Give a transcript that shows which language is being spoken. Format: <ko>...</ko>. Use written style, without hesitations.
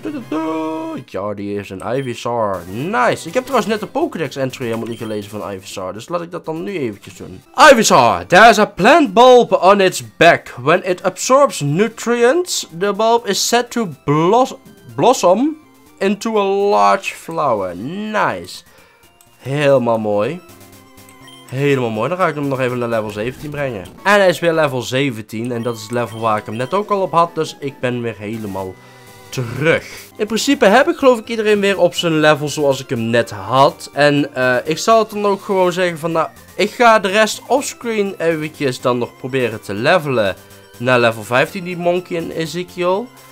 <nl>Yay! Jordi is een Ivysaur. Nice! Ik heb trouwens net de Pokédex entry helemaal niet gelezen van Ivysaur. Dus laat ik dat dan nu eventjes doen.</nl> <en>Ivysaur! There's a plant bulb on its back. When it absorbs nutrients, the bulb is set to blossom into a large flower. Nice!</en> <nl>Helemaal mooi. Helemaal mooi, dan ga ik hem nog even naar level 17 brengen. En hij is weer level 17 en dat is het level waar ik hem net ook al op had, dus ik ben weer helemaal terug. In principe heb ik geloof ik iedereen weer op zijn level zoals ik hem net had. En ik zal het dan ook gewoon zeggen van, nou, ik ga de rest offscreen eventjes dan nog proberen te levelen naar level 15, die Monkey en Ezekiel.</nl>